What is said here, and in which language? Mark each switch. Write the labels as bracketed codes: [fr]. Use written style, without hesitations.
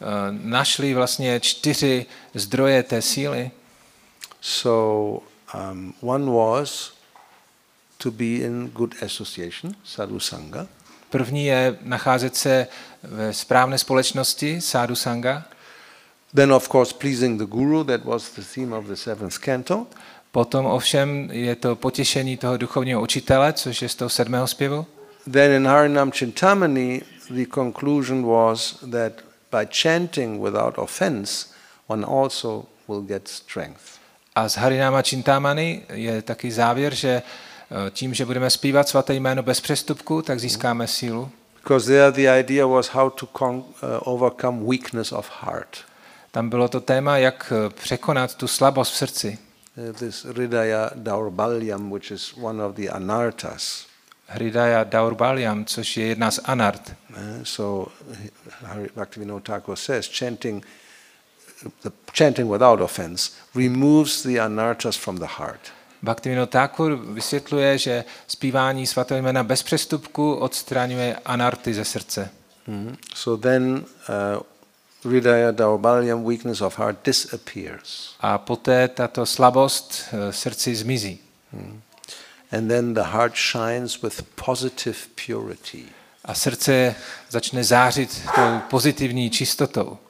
[cs] našli vlastně čtyři zdroje té síly. [en] So one was to be in good association, sadhu sangha. [cs] První je nacházet se ve správné společnosti, sadhu sangha. [en] Then of course pleasing the guru, that was the theme of the seventh canto. [cs] Potom ovšem je to potěšení toho duchovního učitele, což je z toho sedmého zpěvu. [en] Then in Harinam Chintamani the conclusion was that by chanting without offense one also will get strength. [cs] A z Harinama Chintamani je taky závěr, že tím, že budeme zpívat svaté jméno bez přestupku, tak získáme sílu. [en] Because there the idea was how to overcome weakness of heart. [cs] Tam bylo to téma, jak překonat tu slabost v srdci. [en] This Hridaya Daurbalyam, which is one of the anartas. [cs] Hridaya Daurbalyam, což je jedna z anart. [en] So Bhaktivinoda Thakur says chanting without offense removes the anartas from the heart. [cs] Bhaktivinoda Thakur vysvětluje, že zpívání svatého jména bez přestupku odstraňuje anarty ze srdce. [en] So then Hridaya Daurbalyam, weakness of heart disappears. [cs] A poté tato slabost srdci zmizí. [en] And then the heart shines with positive purity. [cs] A srdce začne zářit tou pozitivní čistotou.